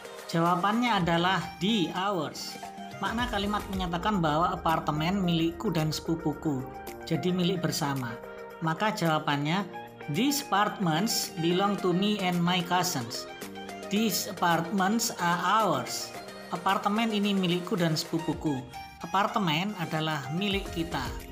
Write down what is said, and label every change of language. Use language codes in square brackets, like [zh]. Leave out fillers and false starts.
[id] Jawabannya adalah the ours. Makna kalimat menyatakan bahwa apartemen milikku dan sepupuku, jadi milik bersama. Maka jawabannya, [en] these apartments belong to me and my cousins. These apartments are ours. [id] Apartemen ini milikku dan sepupuku. Apartemen adalah milik kita.